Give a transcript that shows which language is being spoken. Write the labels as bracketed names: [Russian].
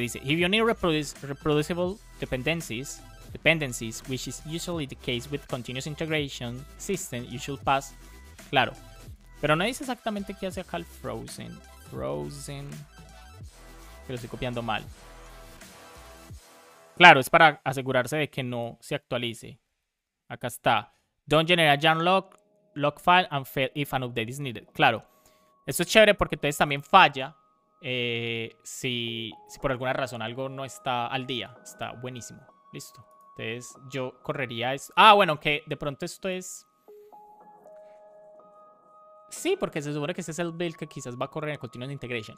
[English] Dice: If you need reproducible dependencies, which is usually the case with continuous integration system, you should pass. [Spanish] Claro. Pero no dice exactamente qué hace acá el frozen. Frozen. Pero estoy copiando mal. Claro, es para asegurarse de que no se actualice. Acá está. [English] Don't generate jar log, log file and fail if an update is needed. [Spanish] Claro. Esto es chévere porque entonces también falla si por alguna razón algo no está al día. Está buenísimo. Listo. Entonces yo correría eso. Ah, bueno, que de pronto esto es. Sí, porque se supone que ese es el build que quizás va a correr en continuous integration.